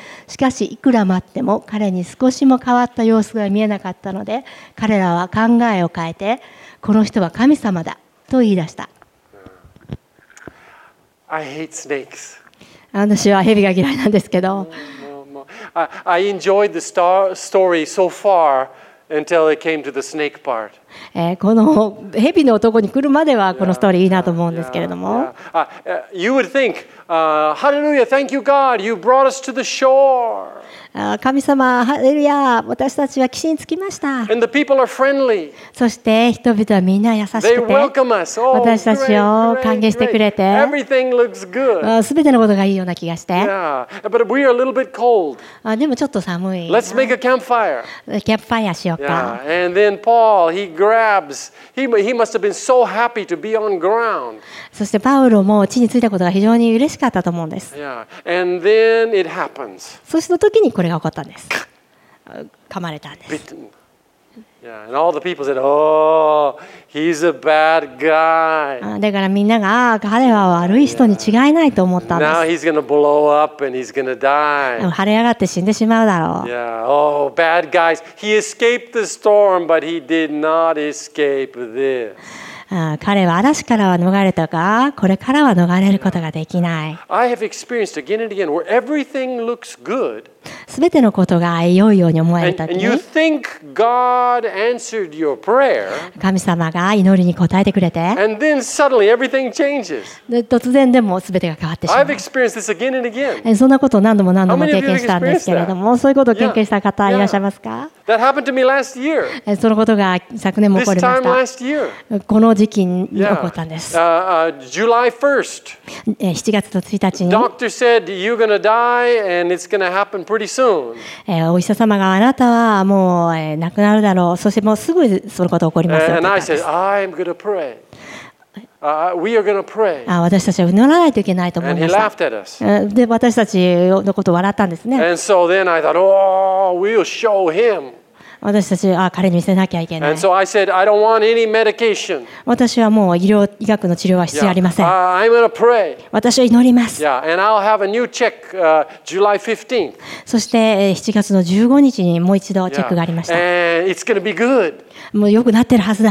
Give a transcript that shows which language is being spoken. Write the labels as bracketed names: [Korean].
[Japanese] しかしいくら待っても彼に少しも変わった様子が見えなかったので、彼らは考えを変えて、この人は神様だと言い出した。 [English] I hate snakes. [Japanese] 私は蛇が嫌いなんですけど。 [English] I enjoyed the story so far until it came to the snake part. [Japanese] この蛇の男に来るまではこのストーリーいいなと思うんですけれども。 [English] You would think, Hallelujah, thank you God, you brought us to the shore. [Japanese] 神様、ハレルヤ、私たちは岸に着きました。 [English] And the people are friendly. [Japanese] そして人々はみんな優しくて、 [English] They welcome us. Oh, [Japanese] 私たちを歓迎してくれて、 [English] Everything looks good. [Japanese] すべてのことがいいような気がして。 [English] Yeah. But we are a little bit cold. [Japanese] でもちょっと寒い。 [English] Let's make a campfire. [Japanese] キャンプファイアしようか。 [English] Yeah. And then Paul, he grabs. He must have been so happy to be on ground. [Japanese] そしてパウロも地に着いたことが非常に嬉しかったと思うんです。 [English] Yeah. And then it happens. [Japanese] そして時にこれが起こったんです。噛まれたんです。 [English] Bitten. Yeah. And all the people said, "Oh, he's a bad guy." [Japanese] だからみんなが、彼は悪い人に違いないと思ったんです。 [English] Now he's gonna blow up and he's gonna die. [Japanese] 晴れ上がって死んでしまうだろう。 [English] Yeah. Oh, bad guys. He escaped the storm, but he did not escape this. [Japanese] 彼は嵐からは逃れたが、これからは逃れることができない。 [English] I have experienced again and again where everything looks good. [Japanese] すべてのことが良いように思えたときに神様が祈りに答えてくれて突然でもすべてが変わってしまうそんなことを何度も何度も経験したんですけれどもそういうことを経験した方いらっしゃいますかそのことが昨年も起こりましたこの時期に起こったんです [English] July 1st [Japanese] 7月の1日に [English] ドクター said you're gonna die and it's gonna happenPretty soon. [Japanese] お医者様があなたはもう亡くなるだろう。そしてもうすぐそのこと起こりますよ。 [English] And I said, I'm gonna pray. We are gonna pray. [Japanese] 私たちは祈らないといけないと思いました。 [English] And he laughed at us. [Japanese] で私たちのことを笑ったんですね。 [English] And so then I thought, oh, we'll show him. [Japanese] 私たちは彼に見せなきゃいけない。 [English] So、I said, I don't want any medication. [Japanese] 私はもう医学の治療は必要ありません。 [English] Yeah. I'm gonna pray. [Japanese] 私は祈ります。 [English] Yeah. And I'll have a new check, July 15th. [Japanese] そして7月の15日にもう一度チェックがありました。 [English] Yeah. And it's gonna be good. [Japanese] もう良くなってるはずだ。